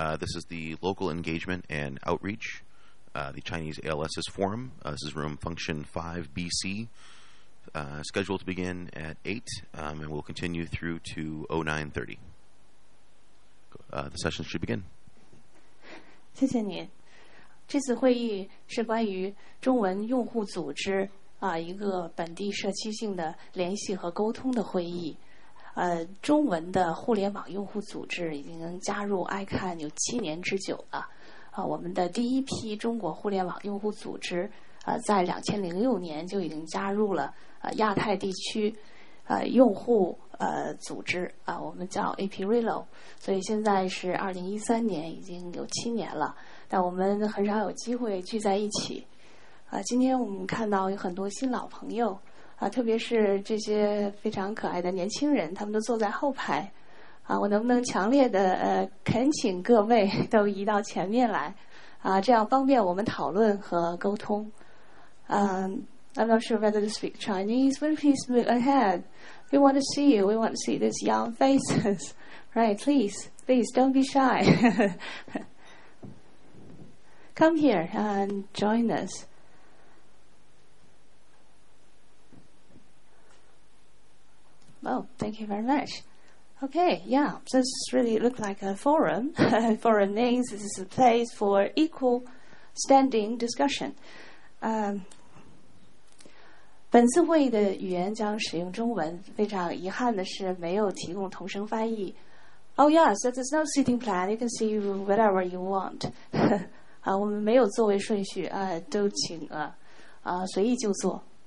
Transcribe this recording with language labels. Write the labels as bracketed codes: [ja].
[en] This is the local engagement and outreach, the Chinese ALS's forum. This is room function 5BC, scheduled to begin at 8, and we'll continue through to 09:30. The session should begin. [zh] 谢谢你。这次会议是关于中文用户组织一个本地社区性的联系和沟通的会议。中文的互联网用户组织已经加入 ICANN 有7年之久了。我们的第一批中国互联网用户组织在2006年就已经加入了亚太地区用户组织我们叫 APRILO， 所以现在是2013年，已经有7年了。但我们很少有机会聚在一起。今天我们看到有很多新老朋友特别是这些非常可爱的年轻人，他们都坐在后排。我能不能强烈的恳请各位都移到前面来这样方便我们讨论和沟通。 [en] I'm not sure whether to speak Chinese, but please move ahead. We want to see you, we want to see these young faces. Right, please, please don't be shy. Come here and join us. Well, thank you very much. Okay, yeah, this really looks like a forum. Forum means this is a place for equal standing discussion. [zh] 本次会议的语言将使用中文，非常遗憾的是没有提供同声翻译。 [en] Oh yes, there's no seating plan. You can see whatever you want. [zh] 我们没有座位顺序都请随意就坐。